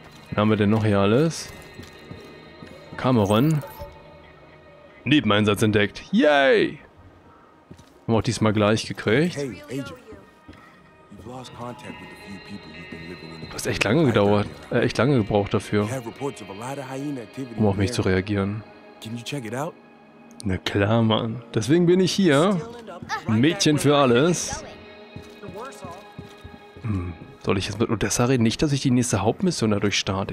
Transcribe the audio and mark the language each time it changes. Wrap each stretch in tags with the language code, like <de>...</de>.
<de>Wen haben wir denn noch hier alles? Cameron. Nebeneinsatz entdeckt. Yay! Haben wir auch diesmal gleich gekriegt.</de> <en>Hey, Agent. You've lost contact with a few people you've been living in.</en> <de>Das ist echt lange gedauert. Echt lange gebraucht dafür. Um auf mich zu reagieren.</de> <en>Can you check it out?</en> <de>Na klar, Mann. Deswegen bin ich hier. Mädchen für alles. Soll ich jetzt mit Odessa reden? Nicht, dass ich die nächste Hauptmission dadurch starte.</de>